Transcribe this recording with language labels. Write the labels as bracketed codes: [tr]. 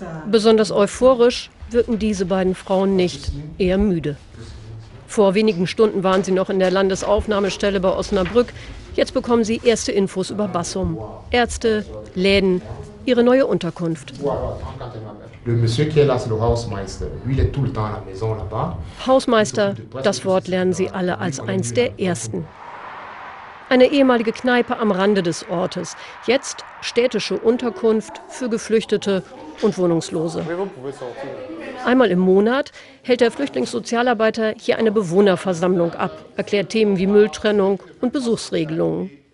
[de] Besonders euphorisch wirken diese beiden Frauen nicht, eher müde. Vor wenigen Stunden waren sie noch in der Landesaufnahmestelle bei Osnabrück. Jetzt bekommen sie erste Infos über Bassum. Ärzte, Läden, ihre neue Unterkunft. [fr] Le monsieur qui est là, c'est le Hausmeister. Lui, il est tout le temps à la maison là-bas. [de] Hausmeister, das Wort lernen sie alle als eins der ersten. Eine ehemalige Kneipe am Rande des Ortes. Jetzt städtische Unterkunft für Geflüchtete und Wohnungslose. Einmal im Monat hält der Flüchtlingssozialarbeiter hier eine Bewohnerversammlung ab, erklärt Themen wie Mülltrennung und Besuchsregelungen.